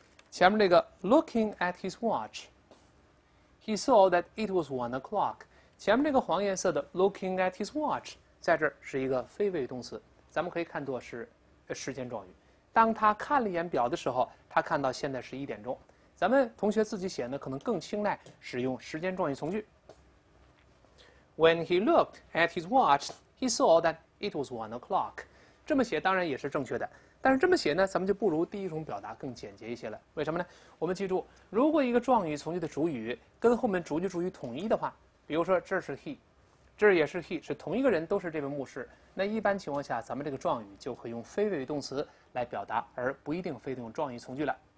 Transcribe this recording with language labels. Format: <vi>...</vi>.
<zh>前面这个</zh> <en>looking at his watch, he saw that it was 1 o'clock.</en> <zh>前面这个黄颜色的</zh> <en>looking at his watch</en> <zh>在这是一个非谓动词。咱们可以看作是时间状语。当他看了一眼表的时候，他看到现在是1点钟。咱们同学自己写呢，可能更青睐使用时间状语从句。</zh> <en>When he looked at his watch, he saw that it was 1 o'clock.</en> <zh>这么写当然也是正确的，但是这么写呢，咱们就不如第一种表达更简洁一些了。为什么呢？我们记住，如果一个状语从句的主语跟后面主句主语统一的话，比如说这是 he。这也是 he， 是同一个人，都是这位牧师。那一般情况下，咱们这个状语就会用非谓语动词来表达，而不一定非得用状语从句了。</zh>